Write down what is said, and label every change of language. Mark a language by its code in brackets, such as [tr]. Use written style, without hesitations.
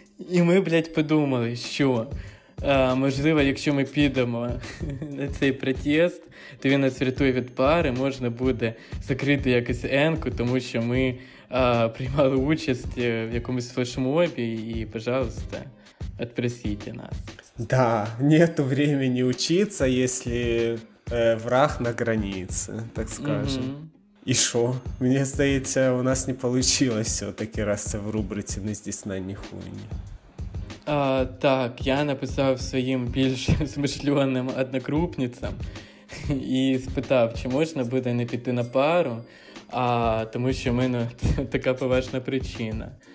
[uk] І ми, блядь, подумали, що, можливо, якщо ми підемо на цей протест, то він нас врятує від пари, можна буде закрити якось енку, тому що ми приймали участь в якомусь флешмобі, і, пожалуйста, отпросіть нас. [ru] Да, нету времени учиться, якщо... враг на границе, так скажем. [uk] І що? Мені здається, у нас не вийшло все-таки, раз це в рубриці не здійснення хуйні. Так, я написав своїм більш змишльоним однокрупницям і спитав, чи можна буде не піти на пару, тому що в мене така поважна причина.